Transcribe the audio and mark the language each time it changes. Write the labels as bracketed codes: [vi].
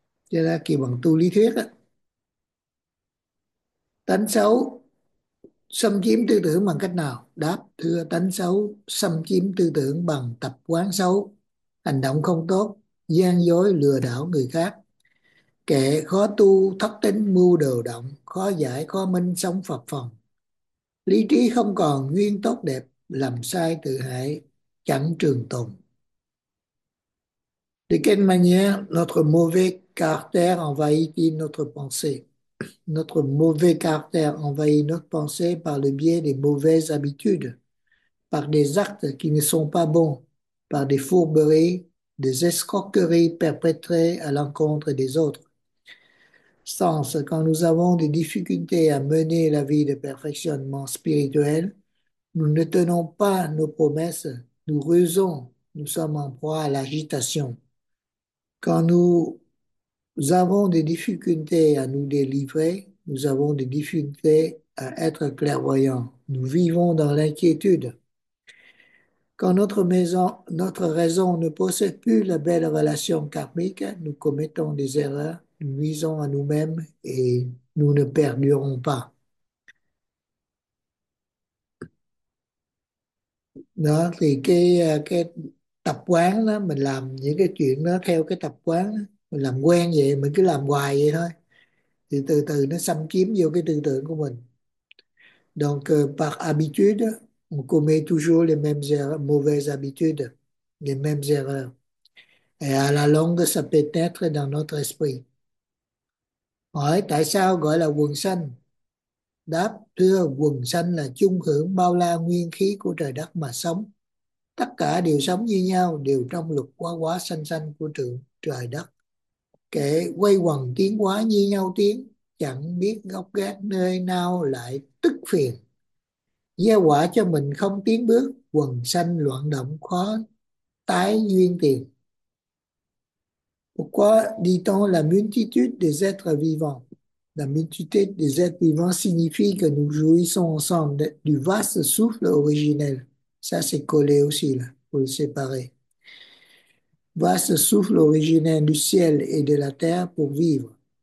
[fr] C'est là qui [vi] bằng tu lý thuyết. Tánh xấu xâm chiếm tư tưởng bằng cách nào? Đáp, thưa, tánh xấu xâm chiếm tư tưởng bằng tập quán xấu, hành động không tốt, gian dối lừa đảo người khác. Kẻ khó tu thất tính mưu đồ động, khó giải khó minh sống phập phồng. Lý trí không còn nguyên tốt đẹp, làm sai tự hại chẳng trường tồn. [fr] De quelle manière notre mauvais caractère envahit-il notre pensée? Notre mauvais caractère envahit notre pensée par le biais des mauvaises habitudes, par des actes qui ne sont pas bons, par des fourberies, des escroqueries perpétrées à l'encontre des autres. Sens, quand nous avons des difficultés à mener la vie de perfectionnement spirituel, nous ne tenons pas nos promesses, nous rusons, nous sommes en proie à l'agitation. Quand nous avons des difficultés à nous délivrer, nous avons des difficultés à être clairvoyants. Nous vivons dans l'inquiétude. Quand notre maison, notre raison ne possède plus la belle relation karmique, nous commettons des erreurs, nous nuisons à nous-mêmes et nous ne perdurons pas. [vi] Đó, thì cái tập quán đó, mình làm những cái chuyện đó theo cái tập quán đó, mình làm quen vậy, mình cứ làm hoài vậy thôi, thì từ từ nó xâm chiếm vô cái tư tưởng của mình. [fr] Donc par habitude on commet toujours les mêmes erreurs, mauvaises habitudes, les mêmes erreurs, et à la longue ça peut être dans notre esprit. [vi] Hỏi tại sao gọi là quần sanh? Đáp, thưa, quần sanh là chung hưởng bao la nguyên khí của trời đất mà sống. Tất cả đều sống như nhau, đều trong luật quá quá sanh sanh của trời đất. Kẻ quay quần tiến hóa như nhau tiến, chẳng biết gốc gác nơi nào lại tức phiền. Gieo quả cho mình không tiến bước, quần sanh loạn động khó tái duyên tiền. [fr] Pourquoi dit-on la multitude des êtres vivants? La multitude des êtres vivants signifie que nous jouissons ensemble du vaste souffle originel. Ça, c'est collé aussi, là, pour le séparer. Vaste souffle originel du ciel et de la terre pour vivre.